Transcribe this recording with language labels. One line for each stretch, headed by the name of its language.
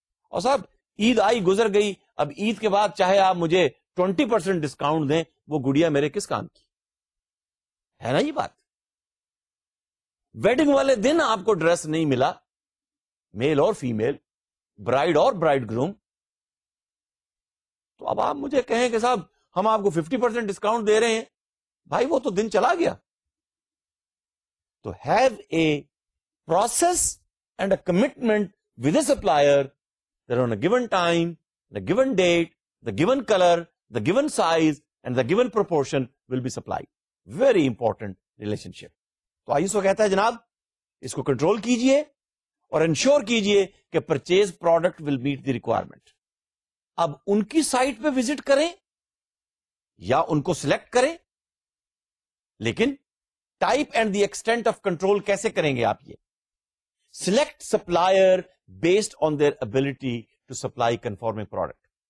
Urdu: اور صاحب عید آئی گزر گئی, اب عید کے بعد چاہے آپ مجھے 20% ڈسکاؤنٹ دیں, وہ گڑیا میرے کس کام کی ہے نا؟ یہ بات, ویڈنگ والے دن آپ کو ڈریس نہیں ملا, میل اور فیمیل, برائیڈ اور برائیڈ گروم, تو اب آپ مجھے کہیں کہ صاحب ہم آپ کو 50% ڈسکاؤنٹ دے رہے ہیں, بھائی وہ تو دن چلا گیا.
English: To have a process and a commitment with a supplier that on a given time, the given date, the given colour, the given size and the given proportion will be supply. Very important relation ship.
Urdu: تو آئیے سو کہتا ہے جناب اس کو control کیجئے اور ensure کیجئے کہ
English: Purchase product will meet the requirement.
Urdu: اب ان کی سائٹ پہ وزٹ کریں یا ان کو سلیکٹ کریں, لیکن
English: type and the extent of control
Urdu: کیسے کریں گے آپ؟ یہ
English: Select supplier based on their ability to supply conforming product.